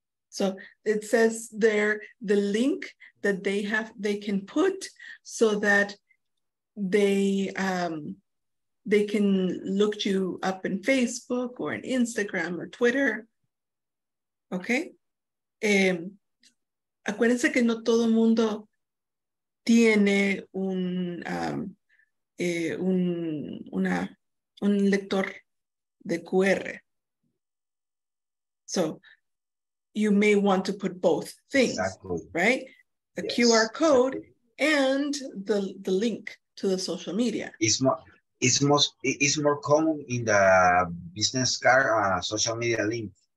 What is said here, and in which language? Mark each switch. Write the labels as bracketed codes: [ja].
[en] So it says there the link that they can put so that they can look you up in Facebook or in Instagram or Twitter. Okay. [es] Acuérdense que no todo mundo tiene un lector de QR. [en] So you may want to put both things, exactly. Right? A yes, QR code, exactly. And the link to the social media. It's more common in the business card, social media link.